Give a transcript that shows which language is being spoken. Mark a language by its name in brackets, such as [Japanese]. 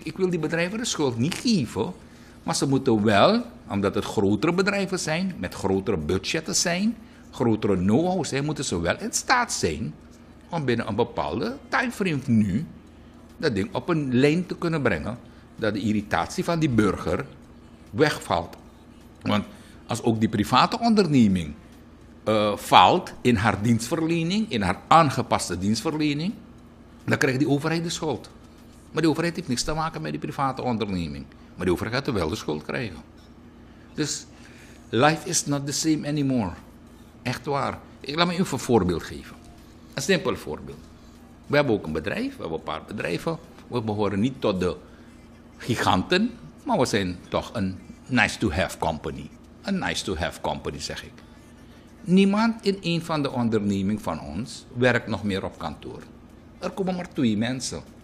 [Dutch] Ik wil die bedrijven de schuld niet geven. Maar ze moeten wel, omdat het grotere bedrijven zijn, met grotere budgetten zijn, grotere know-how zijn, moeten ze wel in staat zijn om binnen een bepaalde timeframe nu dat ding op een lijn te kunnen brengen dat de irritatie van die burger wegvalt. Want als ook die private onderneming faalt in haar dienstverlening, in haar aangepaste dienstverlening, dan krijgt die overheid de schuld. Maar die overheid heeft niks te maken met die private onderneming. Maar die overheid gaat er wel de schuld krijgen. Dus [English] life is not the same anymore. [Dutch] Echt waar. Ik laat me even een voorbeeld geven. Een simpel voorbeeld. We hebben ook een bedrijf, we hebben een paar bedrijven. We behoren niet tot de giganten, maar we zijn toch een [English] nice to have company. [Dutch] Een [English] nice to have company, [Dutch] zeg ik. Niemand in een van de ondernemingen van ons werkt nog meer op kantoor. Er komen maar 2 mensen.